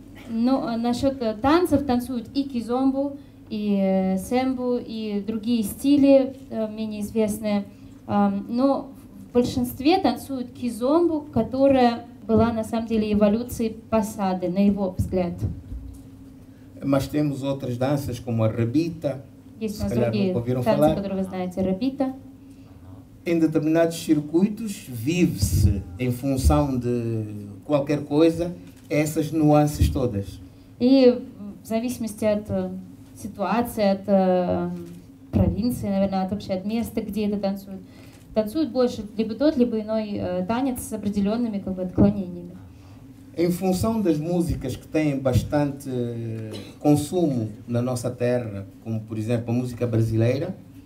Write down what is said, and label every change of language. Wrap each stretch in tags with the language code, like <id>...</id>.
<ru>Но насчет танцев танцуют и кизомбу, и сэмбу, и другие стили менее известные. Но в большинстве танцуют кизомбу, которая была на самом деле эволюцией пасады, на его взгляд.</ru> <pt>Mas temos outras danças como a rabita.</pt> <ru>Есть у нас другие танцы, которые вы знаете, рабита.</ru> <pt>Em determinados circuitos vive-se em função de qualquer coisa essas nuances todas.</pt> <ru>И в зависимости от ситуации, от провинции, наверное, от вообще от места, где это танцуют, танцуют больше либо тот, либо иной танец с определенными как бы отклонениями.</ru> <pt>Em função das músicas que têm bastante consumo na nossa terra, como por exemplo a música brasileira.</pt>